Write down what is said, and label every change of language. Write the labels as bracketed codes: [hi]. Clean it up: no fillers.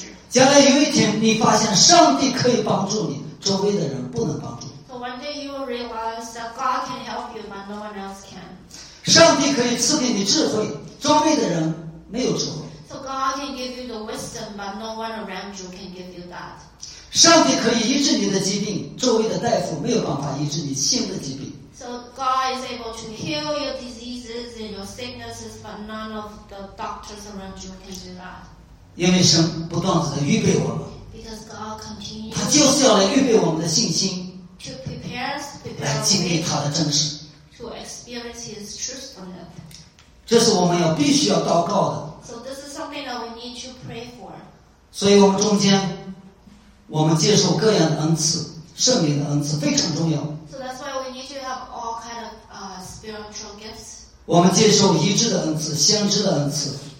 [zh] 将来有一天你发现上帝可以帮助你，周围的人不能帮助你。 [en] So one day you will realize that God can help you but no one else can. [zh] 上帝可以赐给你智慧，周围的人没有智慧。 [en] So God can give you the wisdom but no one around you can give you that. [zh] 上帝可以医治你的疾病，周围的大夫没有办法医治你新的疾病。 [en] So God is able to heal your diseases and your sicknesses but none of the doctors around you can do that. [zh] 因为神不断地在预备我们，他就是要来预备我们的信心 [en] to prepare us, prepare [zh] 来经历他的真实 [en] to experience his truthfulness. [zh] 这是我们要必须要祷告的。 [en] So this is something that we need to pray for. [zh] 所以我们中间我们接受各样的恩赐，圣灵的恩赐非常重要。 [en] So that's why we need to have all kind of spiritual gifts. [zh] 我们接受医治的恩赐，先知的恩赐，